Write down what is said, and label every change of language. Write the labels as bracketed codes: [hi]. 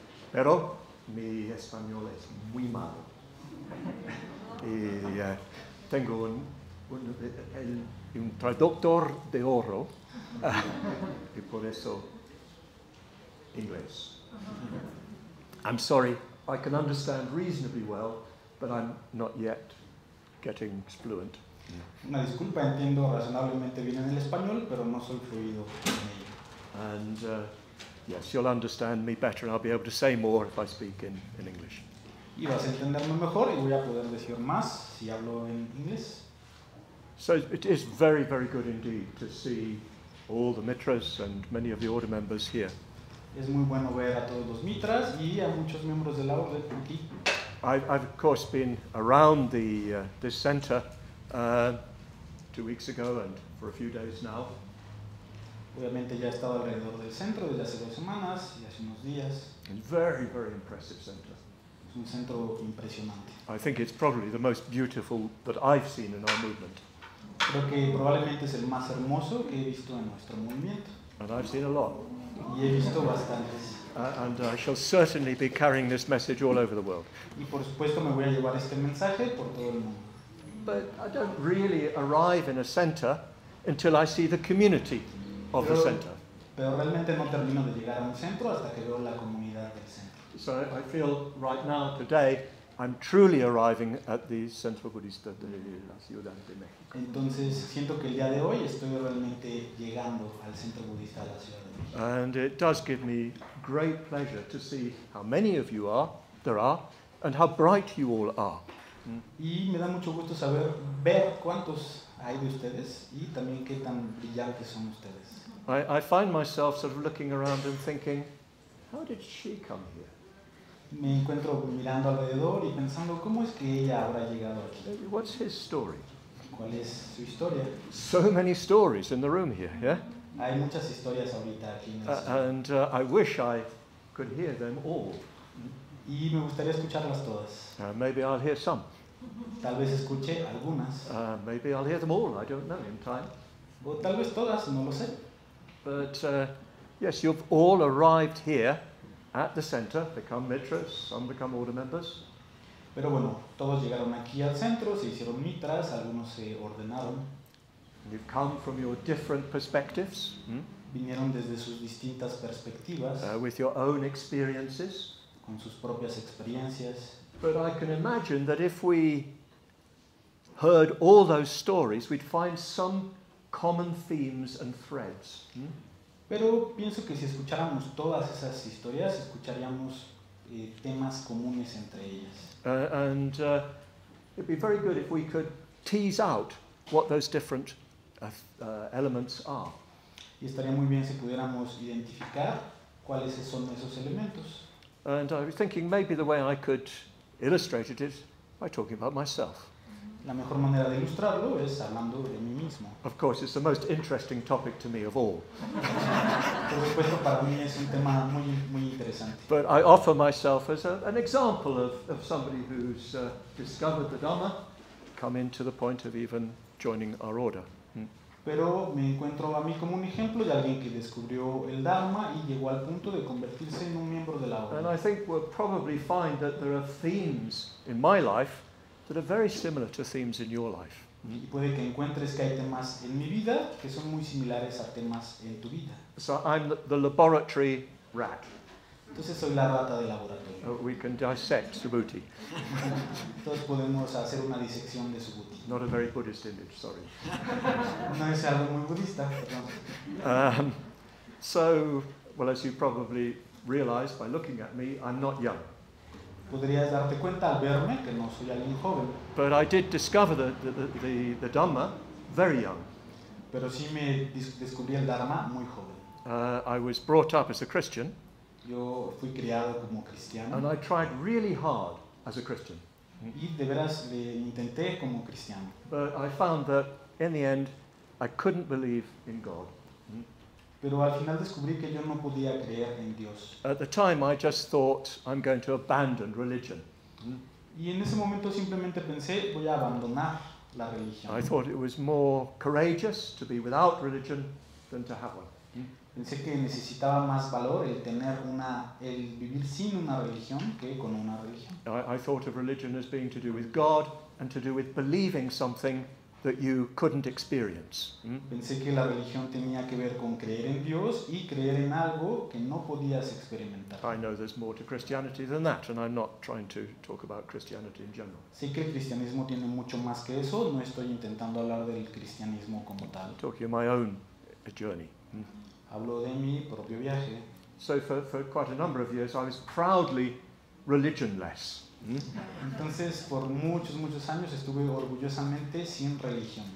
[es] Pero mi español es muy malo. Y tengo un traductor de oro, y por eso inglés. [en] I'm sorry, I can understand reasonably well, but I'm not yet getting fluent. [es] Una disculpa, entiendo razonablemente bien en el español, pero no soy fluido. [en] And yes, you'll understand me better, and I'll be able to say more if I speak in English. [es] Y vas a entenderme mejor y voy a poder decir más si hablo en inglés. [en] So it is very, very good indeed to see all the mitras and many of the order members here. [es] Es muy bueno ver a todos los mitras y a muchos miembros de la orden aquí. [en] I've of course been around the this center 2 weeks ago and for a few days now. [es] Obviamente ya he estado alrededor del centro desde hace 2 semanas y hace unos días. [en] A very, very impressive center. [es] Es un centro impresionante. [en] I think it's probably the most beautiful that I've seen in our movement. [es] Creo que probablemente es el más hermoso que he visto en nuestro movimiento. [en] And I've seen a lot. [es] Y he visto bastantes. [en] And I shall certainly be carrying this message all over the world. [es] Y por supuesto me voy a llevar este mensaje por todo el mundo. [en] But I don't really arrive in a center until I see the community of the center. [es] Pero realmente no termino de llegar a un centro hasta que veo la comunidad del centro. [en] So I feel right now, today, I'm truly arriving at the Centro Budista de la Ciudad de México. [es] Entonces siento que el día de hoy estoy realmente llegando al Centro Budista de la Ciudad de México. [en] And it does give me great pleasure to see how many of you are, there are, and how bright you all are. [es] Y me da mucho gusto saber ver cuántos hay de ustedes y también qué tan brillantes son ustedes. [en] I find myself sort of looking around and thinking, how did she come here? [es] Me encuentro mirando alrededor y pensando, ¿cómo es que ella habrá llegado aquí? [en] What's his story? [es] ¿Cuál es su historia? [en] So many stories in the room here, yeah? [es] Hay muchas historias ahorita aquí en el centro. [en] And I wish I could hear them all. [es] Y me gustaría escucharlas todas. [en] Maybe I'll hear some. [es] Tal vez escuche algunas. [en] Maybe I'll hear them all, I don't know, in time. [es] O tal vez todas, no lo sé. [en] But, yes, you've all arrived here at the center, become mitras, some become order members. [es] Pero bueno, todos llegaron aquí al centro, se hicieron mitras, algunos se ordenaron. [en] And you've come from your different perspectives. [es] Vinieron desde sus distintas perspectivas. [en] With your own experiences. [es] Con sus propias experiencias. [en] But I can imagine that if we heard all those stories, we'd find some common themes and threads. [es] Pero pienso que si escucháramos todas esas historias, escucharíamos temas comunes entre ellas. [en] It'd be very good if we could tease out what those different elements are. [es] Y estaría muy bien si pudiéramos identificar cuáles son esos elementos. [en] And I was thinking maybe the way I could illustrate it is by talking about myself. [es] La mejor manera de ilustrarlo es hablando de mí mismo. [en] Of course, it's the most interesting topic to me of all. [es] Por supuesto, para mí es un tema muy, muy interesante. [en] But I offer myself as an example of somebody who's discovered the Dharma, come into the point of even joining our order. [es] Pero me encuentro a mí como un ejemplo de alguien que descubrió el Dharma y llegó al punto de convertirse en un miembro de la orden. [en] And I think we'll probably find that there are themes in my life that are very similar to themes in your life. [es] Y puede que encuentres que hay temas en mi vida que son muy similares a temas en tu vida. [en] So I'm the laboratory rat. [es] Entonces soy la rata de laboratorio. [en] Oh, we can dissect Subhuti. [es] Entonces podemos hacer una disección de Subhuti. [en] Not a very Buddhist image, sorry. [es] No es algo muy budista, perdón. [en] As you probably realize by looking at me, I'm not young. [es] Podrías darte cuenta al verme que no soy alguien joven. [en] But I did discover the Dhamma very young. [es] Pero sí me descubrí el Dharma muy joven. [en] I was brought up as a Christian. [es] Yo fui criado como cristiano. [en] And I tried really hard as a Christian. [es] Y de veras le intenté como cristiano. [en] But I found that in the end, I couldn't believe in God. [es] Pero al final descubrí que yo no podía creer en Dios. [en] At the time, I just thought I'm going to abandon religion. [es] Y en ese momento simplemente pensé voy a abandonar la religión. [en] I thought it was more courageous to be without religion than to have one. [es] Pensé que necesitaba más valor el tener una, el vivir sin una religión que con una religión. [en] I thought of religion as being to do with God and to do with believing something that you couldn't experience. [es] Pensé que la religión tenía que ver con creer en Dios y creer en algo que no podías experimentar. [en] I know there's more to Christianity than that, and I'm not trying to talk about Christianity in general. [es] Sé que el cristianismo tiene mucho más que eso. No estoy intentando hablar del cristianismo como tal. [en] Talking of my own journey. [es] Hablo de mi propio viaje. [en] So for quite a number of years, I was proudly religionless. [es] Entonces, por muchos años estuve orgullosamente sin religión.